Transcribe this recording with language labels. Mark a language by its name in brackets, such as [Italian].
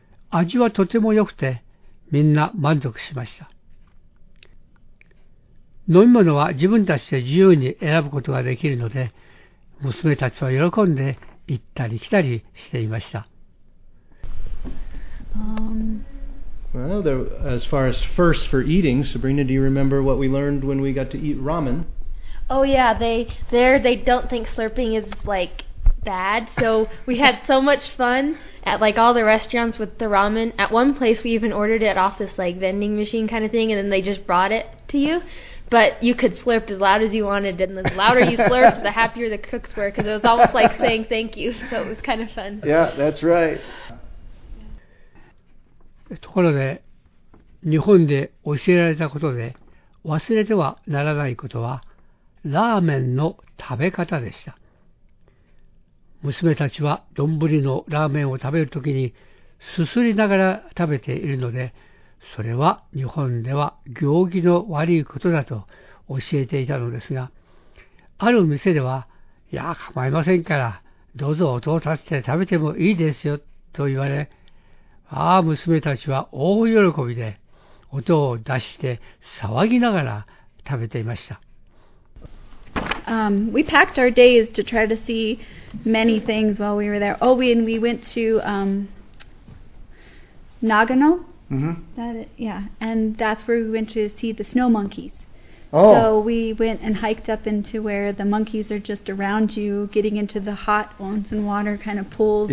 [Japanese] 味はとても良くて、みんな満足しました。飲み物は自分たちで自由に選ぶことができるので、娘たちは喜んで行ったり来たりしていました。 [English] Well, there, as far as first for eating, Sabrina, do you remember what we learned when we got to eat ramen? Oh yeah, they don't think slurping is like bad. So we had so much fun at like all the restaurants with the ramen. At one place, we even ordered it off this like vending machine kind of thing, and then they just brought it to you. But you could slurp as loud as you wanted, and the louder you slurped, the happier the cooks were, because it was almost like saying thank you. So it was kind of fun. Yeah, that's right. [Japanese] ところで、日本で教えられたことで忘れてはならないことは、ラーメンの食べ方でした。娘たちは丼のラーメンを食べるときにすすりながら食べているので、それは日本では行儀の悪いことだと教えていたのですが、ある店では、いや、構いませんから、どうぞ音を立てて食べてもいいですよと言われ、ああ、娘たちは大喜びで、音を出して騒ぎながら食べていました。 [English] We packed our days to try to see many things while we were there. Oh, and we went to Nagano, And that's where we went to see the snow monkeys. Oh. So we went and hiked up into where the monkeys are just around you, getting into the hot onsen water kind of pools.